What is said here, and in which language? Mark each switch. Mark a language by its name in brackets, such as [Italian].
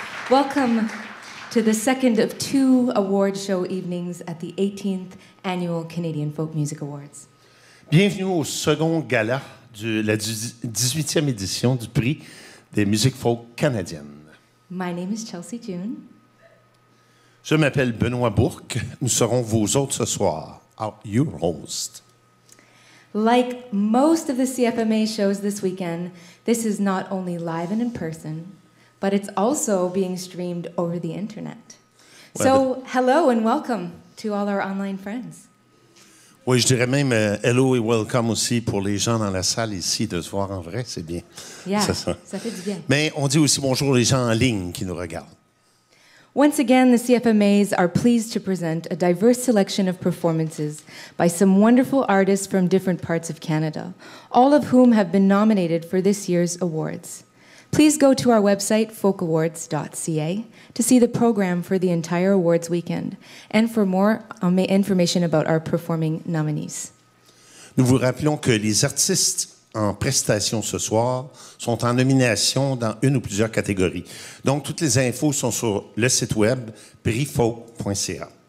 [English] Welcome to the second of two award show evenings at the 18th Annual Canadian Folk Music Awards. [French] Bienvenue au second gala de la 18e édition du prix des musiques folk canadiennes. [English] My name is Chelsea June. [French] Je m'appelle Benoît Bourque. Nous serons vos hôtes ce soir. [English] Your host. Like most of the CFMA shows this weekend, this is not only live and in person, but it's also being streamed over the internet. So, hello and welcome to all our online friends. [French] Oui, je dirais même hello et welcome aussi pour les gens dans la salle ici, de se voir en vrai, c'est bien. Yeah, ça fait du bien. Mais on dit aussi bonjour les gens en ligne qui nous regardent. [English] Once again, the CFMAs are pleased to present a diverse selection of performances by some wonderful artists from different parts of Canada, all of whom have been nominated for this year's awards. Please go to our website, folkawards.ca, to see the program for the entire awards weekend and for more information about our performing nominees. [French] Nous vous rappelons que les artistes en prestation ce soir sont en nomination dans une ou plusieurs catégories. Donc, toutes les infos sont sur le site web prixfolk.ca.